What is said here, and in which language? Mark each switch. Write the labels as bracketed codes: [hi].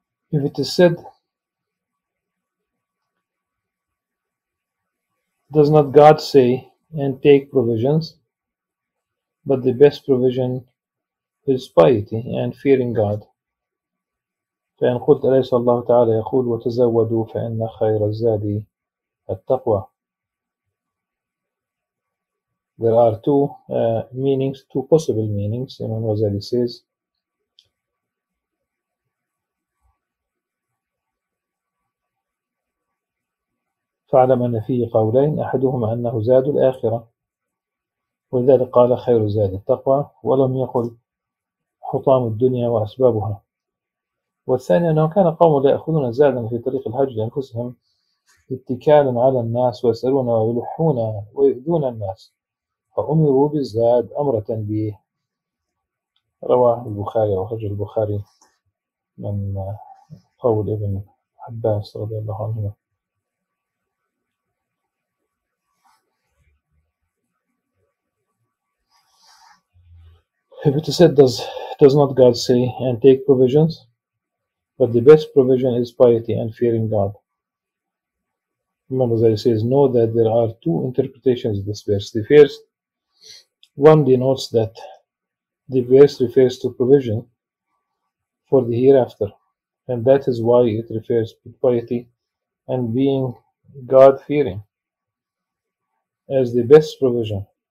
[en] If it is said, does not God say and take provisions, but the best provision is piety and fearing God. [ar] فإن قلت أليس الله تعالى يقول وتزودوا فإن خير الزاد التقوى. [en] There are two possible meanings. Imam Razali says, [ar] فعلم أن فيه قولين أحدهما أنه زاد الآخرة ولذلك قال خير زاد التقوى ولم يقل حطام الدنيا وأسبابها والثاني أنه كان قوم لا يأخذون زادا في طريق الحج لأنفسهم اتكالا على الناس ويسألون ويلحون ويؤذون الناس فأمروا بالزاد أمر تنبيه رواه البخاري وخرج البخاري من قول ابن عباس رضي الله عنهما [en] If it is said, does not God say and take provisions? But the best provision is piety and fearing God. Remember that he says, know that there are two interpretations of this verse. The first one denotes that the verse refers to provision for the hereafter. And that is why it refers to piety and being God-fearing as the best provision.